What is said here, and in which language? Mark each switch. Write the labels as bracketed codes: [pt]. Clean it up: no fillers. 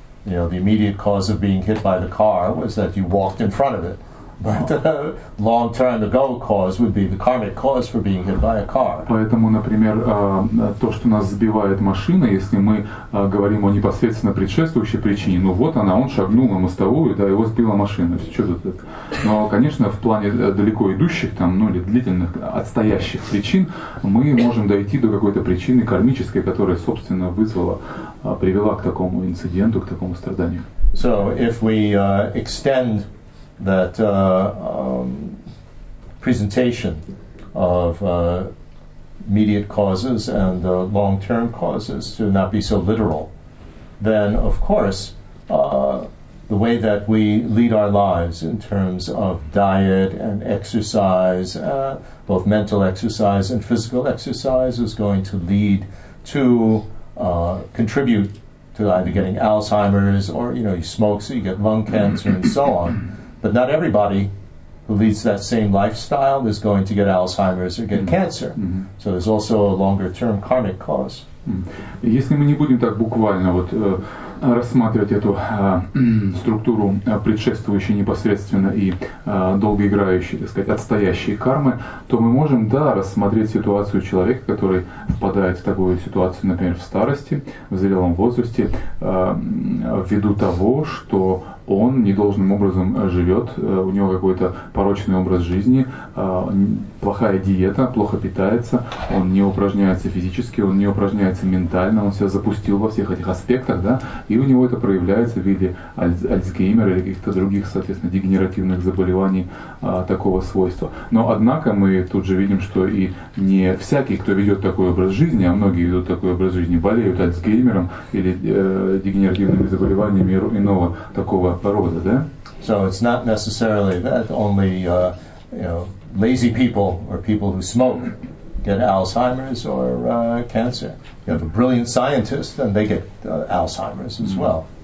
[en] The immediate cause of being hit by the car was that you walked in front of it. But long term, the goal cause would be the karmic cause for being hit by a car. [ru] Поэтому, например, то, что нас сбивает машина, если мы говорим о непосредственно предшествующей причине, он шагнул на мостовую, да, его сбила машина. Но, конечно, в плане далеко идущих, или длительных, отстоящих причин, мы можем дойти до какой-то причины кармической, которая, собственно, привела к такому инциденту, к такому страданию. [en] So if we extend that presentation of immediate causes and long-term causes to not be so literal, then of course the way that we lead our lives in terms of diet and exercise, both mental exercise and physical exercise, is going to lead to contribute to either getting Alzheimer's, or you know, you smoke so you get lung cancer and so on. But not everybody who leads that same lifestyle is going to get Alzheimer's or get cancer. So there's also a longer term karmic cause. [ru] Если мы не будем так буквально вот рассматривать эту структуру предшествующей непосредственно и долгоиграющей, так сказать, отстоящей кармы, то мы можем, да, рассмотреть ситуацию человека, который впадает в такую ситуацию, например, в старости, в зрелом возрасте, ввиду того, что он недолжным образом живет, у него какой-то порочный образ жизни, плохая диета, плохо питается, он не упражняется физически, он не упражняется ментально, он себя запустил во всех этих аспектах, да, и у него это проявляется в виде Альцгеймера или каких-то других, соответственно, дегенеративных заболеваний такого свойства. Но, однако, мы тут же видим, что и не всякий, кто ведет такой образ жизни, а многие ведут такой образ жизни, болеют Альцгеймером или дегенеративными заболеваниями иного такого порода, да? [en] So it's not necessarily that only you know, lazy people or people who smoke get Alzheimer's or cancer. You have a brilliant scientist and they get Alzheimer's as well.